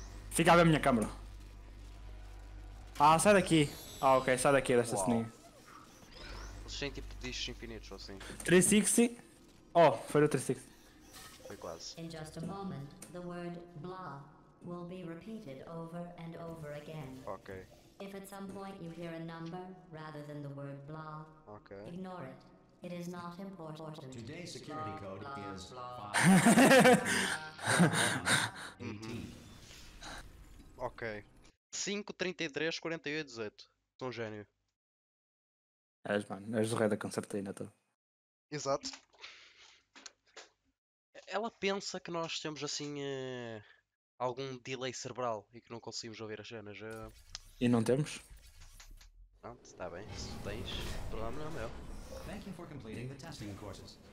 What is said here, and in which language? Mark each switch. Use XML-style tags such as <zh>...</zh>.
<pt>Fica a ver a minha câmera. Ah, sai daqui. Ah, ok, sai daqui desta ceninha. Eles têm tipo discos infinitos ou assim. 360. Oh, foi o 360. Foi quase.</pt> <en>In just a moment, the word blah will be repeated over and over again. Ok. If at some point you hear a number rather than the word blah, okay, ignore it. It is not important. Today's security code blah, is 5.</en> <pt>Ok. 5334818. Sou um gênio. És, mano, és o rei da concertina, tu. Exato. Ela pensa que nós temos assim. Algum delay cerebral e que não conseguimos ouvir as cenas. E não temos? Pronto, está bem. Se tens, o problema não é meu.</pt> <en>Thank you for completing the testing courses.</en>